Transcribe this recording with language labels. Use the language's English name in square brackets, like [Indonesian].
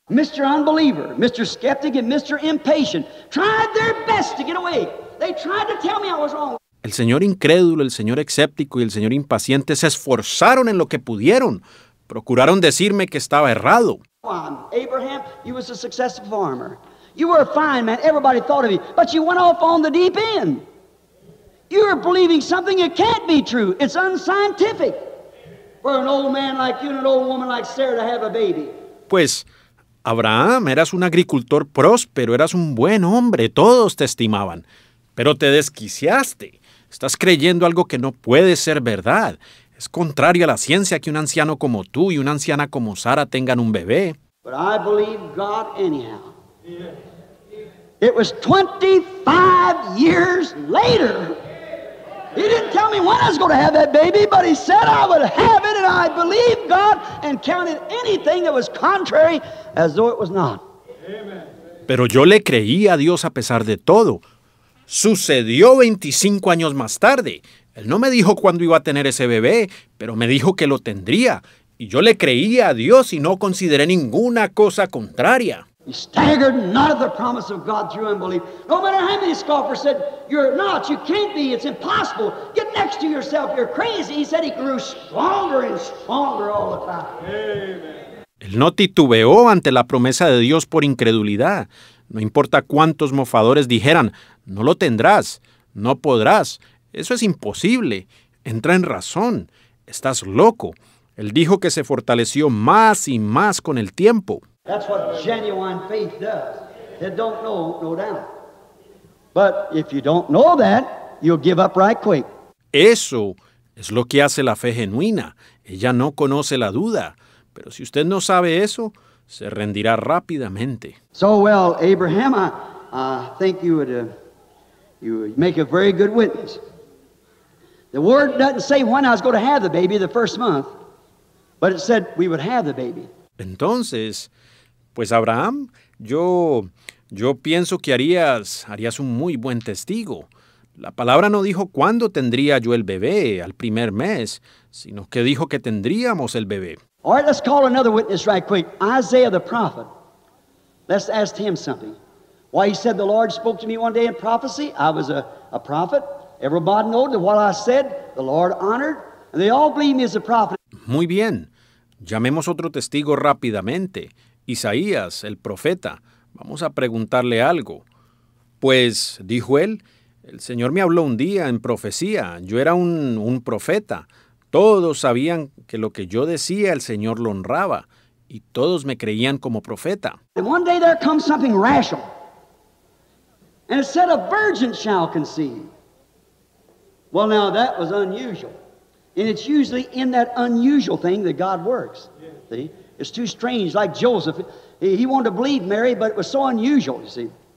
[English] Mr. Unbeliever, Mr. Skeptic, and Mr. Impatient tried their best to get away. They tried to tell me I was wrong. [Spanish] El señor incrédulo, el señor escéptico y el señor impaciente se esforzaron en lo que pudieron. Procuraron decirme que estaba errado. [English] Abraham, you was a successful farmer. You were a fine man. Everybody thought of you. But you went off on the deep end. You are believing something that can't be true. It's unscientific for an old man like you and an old woman like Sarah to have a baby. [Spanish] Pues, Abraham, eras un agricultor próspero. Eras un buen hombre. Todos te estimaban. Pero te desquiciaste. Estás creyendo algo que no puede ser verdad. Es contrario a la ciencia que un anciano como tú y una anciana como Sara tengan un bebé. [English] But I believe God anyhow. Yeah. It was 25 years later. He didn't tell me when I was going to have that baby, but he said I would have it, and I believed God and counted anything that was contrary as though it was not. [Spanish] Pero yo le creí a Dios a pesar de todo. Sucedió 25 años más tarde. Él no me dijo cuándo iba a tener ese bebé, pero me dijo que lo tendría. Y yo le creí a Dios y no consideré ninguna cosa contraria. [English] He staggered none of the promise of God through unbelief. No matter how many scoffers said, you're not, you can't be, it's impossible. Get next to yourself, you're crazy. He said he grew stronger and stronger all the time. Amen. [Spanish] Él no titubeó ante la promesa de Dios por incredulidad. No importa cuántos mofadores dijeran, no lo tendrás, no podrás, eso es imposible. Entra en razón, estás loco. Él dijo que se fortaleció más y más con el tiempo. [English] That's what genuine faith does. They don't know, no doubt. But if you don't know that, you'll give up right quick. [Spanish] Eso es lo que hace la fe genuina. Ella no conoce la duda. Pero si usted no sabe eso, se rendirá rápidamente. [English] So well, Abraham, I think you would make a very good witness. The word doesn't say when I was going to have the baby the first month, but it said we would have the baby. [Spanish] Entonces, pues Abraham, yo pienso que harías un muy buen testigo. La palabra no dijo cuándo tendría yo el bebé al primer mes, sino que dijo que tendríamos el bebé. [English] All right, let's call another witness right quick. Isaiah the prophet. Let's ask him something. Why, he said the Lord spoke to me one day in prophecy. I was a prophet. Everybody knew that what I said, the Lord honored. They all believe me as a prophet. [Spanish] Muy bien. Llamemos otro testigo rápidamente. Isaías, el profeta. Vamos a preguntarle algo. Pues, dijo él, el Señor me habló un día en profecía. Yo era un profeta. Todos sabían que lo que yo decía, el Señor lo honraba. Y todos me creían como profeta. [English] And one day there comes something rational. And it said a virgin shall conceive. Well, now that was unusual. And it's usually in that unusual thing that God works. See? It's too strange, like Joseph. He wanted to believe Mary, but it was so unusual, you see.